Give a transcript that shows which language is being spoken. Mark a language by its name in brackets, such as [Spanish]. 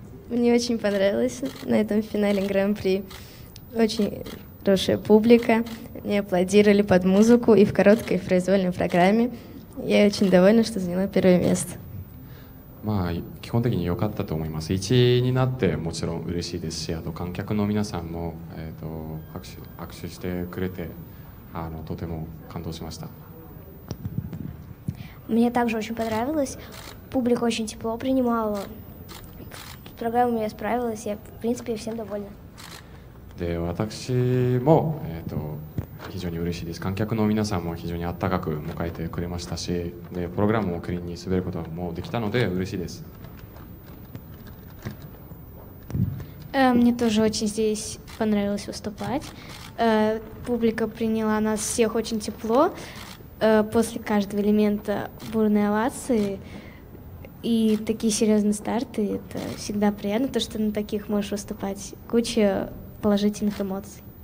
[Russian] Мне очень понравилось на этом финале Гран-при. Очень хорошая публика, мне аплодировали под музыку и в короткой, и в произвольной программе. Я очень довольна, что заняла первое место. [Japanese] Ма, 基本的に良かったと思います.1位になってもちろん嬉しいですし、 あと観客の皆さんも 拍手してくれて とても感動しました. [Russian] Мне также очень понравилось. Публика очень тепло принимала. Программа у меня справилась. Я, в принципе, всем довольна. [Japanese] で、 私も 非常に嬉しいです。観客の皆さんも非常に温かく迎えてくれましたし、 で、 プログラムをクリーンに滑ることもできたので嬉しいです。 [Russian] Мне тоже очень здесь понравилось выступать. Публика приняла нас всех очень тепло. После каждого элемента бурные овации и такие серьезные старты. Это всегда приятно, то, что на таких можешь выступать. Куча положительных эмоций.